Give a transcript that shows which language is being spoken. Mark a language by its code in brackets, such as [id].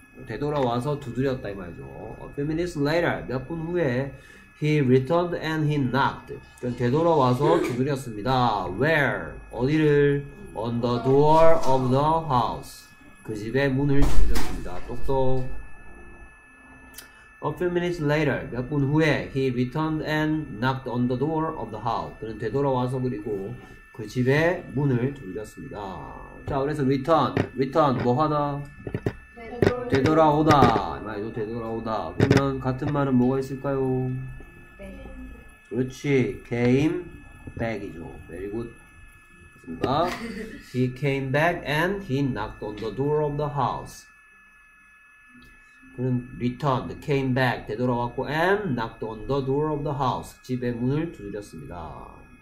[ko] 되돌아와서 두드렸다. 이 말이죠. [en] A few minutes later. [ko] 몇 분 후에. [en] He returned and he knocked. [ko] 그럼 되돌아와서 두드렸습니다. [en] Where? [ko] 어디를? [en] On the door of the house. [ko] 그 집에 문을 두드렸습니다. 똑똑. [en] A few minutes later, [ko] 몇 분 후에, [en] he returned and knocked on the door of the house. [ko] 그는 되돌아와서 그리고 그 집에 문을 두드렸습니다. 자, 그래서 return. return, 뭐 하다? 되돌아오다. 말도 되돌아오다. 그러면 같은 말은 뭐가 있을까요? 그렇지. [en] came back이죠. very good. he came back and he knocked on the door of the house. [ko] 그는 [en] returned, came back, [ko] 되돌아왔고 [en] and knocked on the door of the house. [ko] 집의 문을 두드렸습니다.